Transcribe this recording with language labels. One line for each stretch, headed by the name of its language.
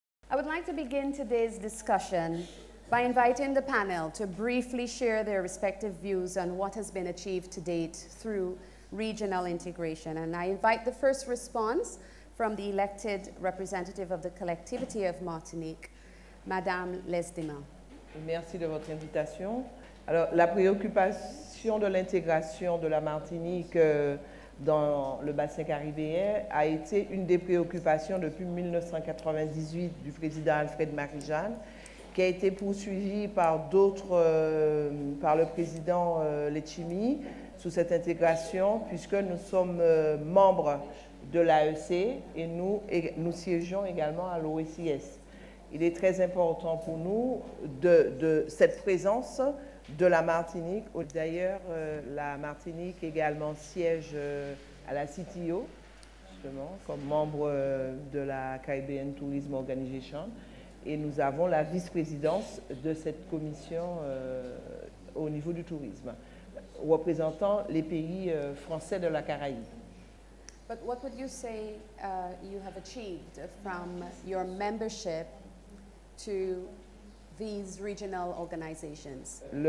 English: I would like to begin today's discussion by inviting the panel to briefly share their respective views on what has been achieved to date through regional integration. And I invite the first response from the elected representative of the collectivity of Martinique, Madame Lesdemain.
French: Merci de votre invitation. Alors, la préoccupation de l'intégration de la Martinique dans le bassin caribéen a été une des préoccupations depuis 1998 du président Alfred Marie-Jeanne, qui a été poursuivie par d'autres, par le président Letchimy, sous cette intégration, puisque nous sommes membres de l'AEC et nous siégeons également à l'OECS. Il est très important pour nous de cette présence de la Martinique. D'ailleurs, la Martinique également siège à la CTO, justement, comme membre de la Caribbean Tourism Organization. Et nous avons la vice-présidence de cette commission au niveau du tourisme, représentant les pays français de la Caraïbe.
English: But what would you say you have achieved from your membership to these regional organizations?